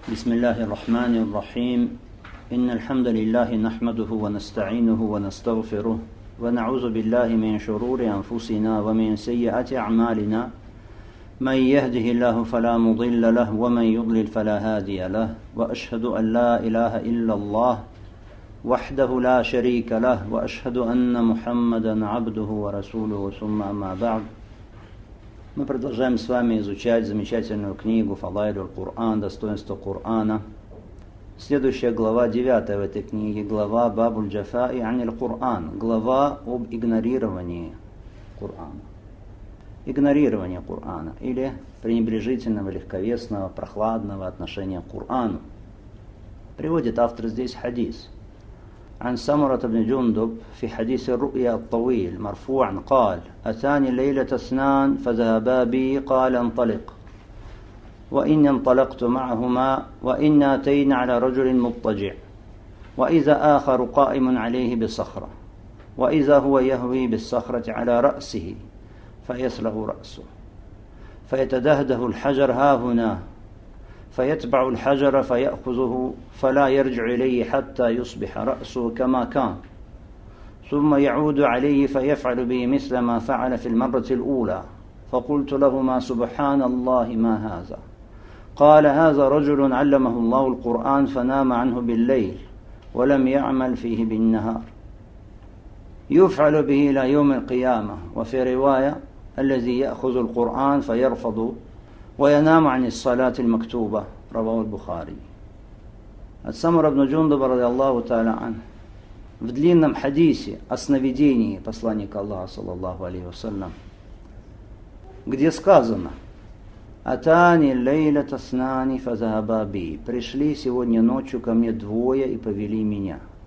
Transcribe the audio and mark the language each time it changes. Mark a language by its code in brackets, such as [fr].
[ar] بسم الله الرحمن الرحيم إن الحمد لله نحمده ونستعينه ونستغفره ونعوذ بالله من شرور أنفسنا ومن سيئات أعمالنا من يهده الله فلا مضل له ومن يضلل فلا هادي له وأشهد أن لا إله إلا الله وحده لا شريك له وأشهد أن محمدا عبده ورسوله ثم أما بعد. [ru] Мы продолжаем с вами изучать замечательную книгу «Фадайлю Кур'ан», «Достоинство Кур'ана». Следующая глава, 9 в этой книге, глава «Бабуль Джафа и Аниль Кур'ан», глава об игнорировании Кур'ана. Игнорирование Кур'ана или пренебрежительного, легковесного, прохладного отношения к Кур'ану. Приводит автор здесь хадис. [ar] عن سمرة بن جندب في حديث الرؤيا الطويل مرفوعا قال أتاني ليلة اثنان فذهبا بي قال انطلق وإن انطلقت معهما وإن أتينا على رجل مضطجع وإذا آخر قائم عليه بصخرة وإذا هو يهوي بالصخرة على رأسه فيسله رأسه فيتدهده الحجر هاهنا فيتبع الحجر فيأخذه فلا يرجع إليه حتى يصبح رأسه كما كان ثم يعود عليه فيفعل به مثل ما فعل في المرة الأولى فقلت لهما سبحان الله ما هذا قال هذا رجل علمه الله القرآن فنام عنه بالليل ولم يعمل فيه بالنهار يفعل به إلى يوم القيامة وفي رواية الذي يأخذ القرآن فيرفض وينام عن الصلاة المكتوبة رواه البخاري. السمر بن جندب رضي الله تعالى عنه [ru] в длинном хадисе о сновидении посланника Аллаха саллаллаху алейхи вассалям, где сказано: [ar] «Атани лейля таснани фазахабаби» [ru] — «Пришли сегодня ночью ко мне двое и повели меня».